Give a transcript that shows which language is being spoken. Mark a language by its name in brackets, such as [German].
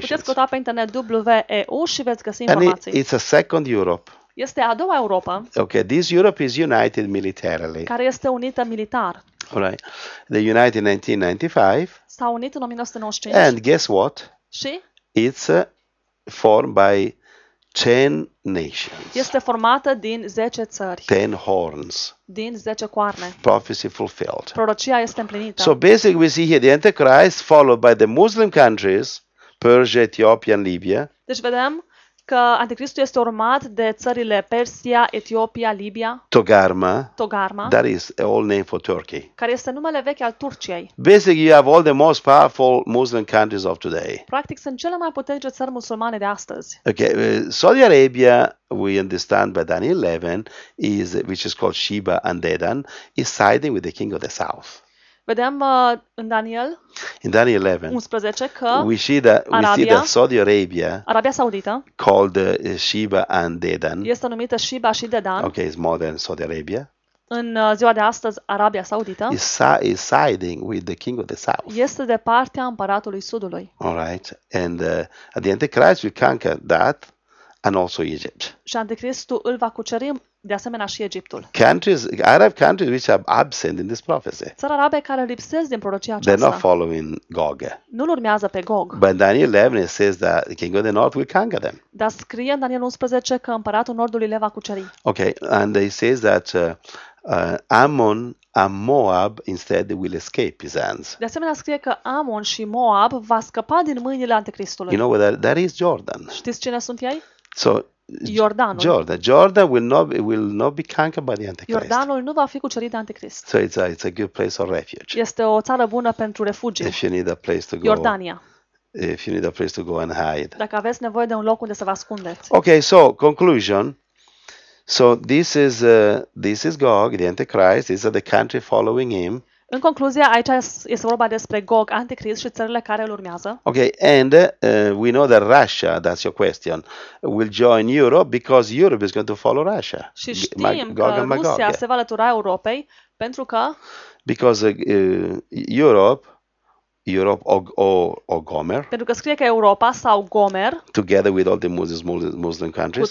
[Romanian] Puteți căuta pe internet WEU și veți găsi informații. [English] And it's a second Europe. [Romanian] Este a doua Europa. [English] Okay, this Europe is united militarily. [Romanian] Care este unită militar. [English] All right. The United 1995. [Romanian] S-a unit în 1995. [English] And guess what? [Romanian] Și? [English] It's formed by 10 nations. [Romanian] Este formată din 10 țări. [English] 10 horns. [Romanian] Din 10 coarne. [English] Prophecy fulfilled. [Romanian] Prorocia este împlinită. [English] So basically we see here the Antichrist followed by the Muslim countries, Persia, Ethiopia and Libya. [Romanian] Deci vedem că Anticristul este urmat de țările Persia, Etiopia, Libia. [English] Togarma. [Romanian] Togarma. [English] That is an old name for Turkey. [Romanian] Care este numele vechi al Turciei. [English] Basically you have all the most powerful Muslim countries of today. [Romanian] Practic sunt cele mai puternice țări musulmane de astăzi. [English] Okay, Saudi Arabia, we understand by Daniel 11, is which is called Sheba and Dedan, is siding with the king of the south. [Romanian] Vedem în Daniel. [English] In Daniel 11. [Romanian] 11 că [English] we see that Saudi Arabia. [Romanian] Arabia Saudită. [English] Called Sheba and Dedan. [Romanian] Este numită Sheba și Dedan. [English] Okay, it's modern Saudi Arabia. [Romanian] În ziua de astăzi Arabia Saudită. [English] Is siding with the king of the south. [Romanian] Este de partea împăratului sudului. [English] All right. And at the Antichrist will conquer that and also Egypt. [Romanian] Și Anticristul îl va cuceri de asemenea și Egiptul. [English] Countries, Arab countries which are absent in this prophecy. [Romanian] Țări arabe care lipsesc din prorocia aceasta. [English] They're not following Gog. [Romanian] Nu-l urmează pe Gog. [English] But Daniel 11 says that the king of the north will conquer them. [Romanian] Dar scrie în Daniel 11 că împăratul nordului le va cuceri. [English] Okay, and he says that Ammon and Moab instead they will escape his hands. [Romanian] De asemenea scrie că Ammon și Moab va scăpa din mâinile Anticristului. [English] You know where that is Jordan. [Romanian] Știți cine sunt ei? [English] So [Romanian] Jordanul. [English] Jordan will not be conquered by the Antichrist. [Romanian] Jordanul nu va fi cucerit de Anticrist. [English] So it's a good place of refuge. [Romanian] Este o țară bună pentru refugiu. [English] If you need a place to go. [Romanian] Jordania. [English] If you need a place to go and hide. [Romanian] Dacă aveți nevoie de un loc unde să vă ascundeți. [English] Okay, so conclusion. So this is Gog, the Antichrist. These are the country following him. [Romanian] În concluzie, aici este vorba despre Gog, Anticrist și țările care îl urmează. [English] Okay, and we know that Russia, that's your question, will join Europe because Europe is going to follow Russia. [Romanian] Și știm Gog că Rusia Magog. Se va alătura Europei pentru că [English] because Europe or Gomer. [Romanian] Pentru că scrie că Europa sau Gomer. [English] Together with all the Muslim countries.